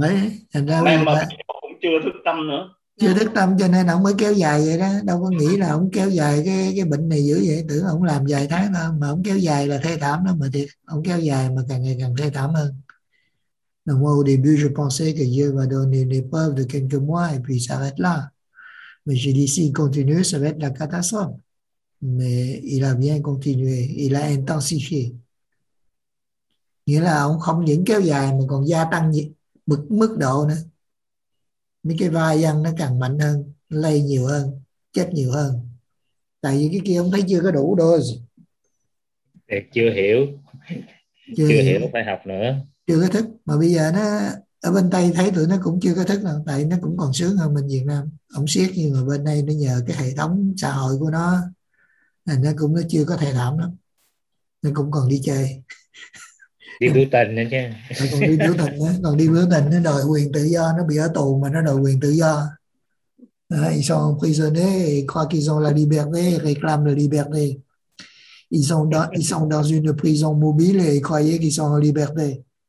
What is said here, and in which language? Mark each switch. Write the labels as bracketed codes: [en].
[vi] Mấy, thành ra mình chưa thức tâm nữa. Chưa thức tâm cho nên ông mới kéo dài vậy đó. Đâu có nghĩ là ông kéo dài cái bệnh này dữ vậy. Tưởng ông làm vài tháng thôi. Mà ông kéo dài là thê thảm đó. Mà thiệt, ông kéo dài mà càng ngày càng thê thảm hơn. [fr] Donc au début, je pensais que Dieu va donner une épreuve de quelques mois et puis s'arrête là. Mais j'ai dit, si il continue, ça va être la catastrophe. Mais il a bien continué. Il a intensifié. [vi] Nghĩa là ông không những kéo dài mà còn gia tăng mức độ nữa. Mấy cái vai văn nó càng mạnh hơn, lây nhiều hơn, chết nhiều hơn. Tại vì cái kia ông thấy chưa có đủ dose. Chưa hiểu, phải học nữa. Chưa có thức. Mà bây giờ nó ở bên Tây thấy tụi nó cũng chưa có thức nào. Tại nó cũng còn sướng hơn mình Việt Nam. Ông siết nhưng mà bên đây nó nhờ cái hệ thống xã hội của nó. Nó cũng nó chưa có thể thảm lắm. Nó cũng còn đi chơi. Đi biểu tình nữa, nó đòi quyền tự do, nó bị ở tù mà nó đòi quyền tự do. [fr] Ils sont prisonniers, ils croient qu'ils ont la liberté, ils réclament la liberté. Ils sont dans une prison mobile et ils croyaient qu'ils sont en liberté.